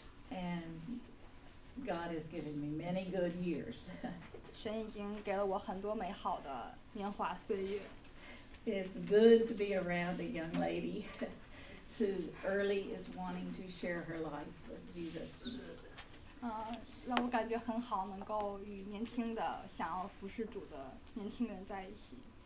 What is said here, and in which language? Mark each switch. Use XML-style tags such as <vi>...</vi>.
<en>And God has given me many good years.</en> <zh>神已经给了我很多美好的年华岁月。</zh> <en>It's good to be around a young lady who early is wanting to share her life with Jesus.</en> <zh>让我感觉很好，能够与年轻的想要服侍主的年轻人在一起。</zh>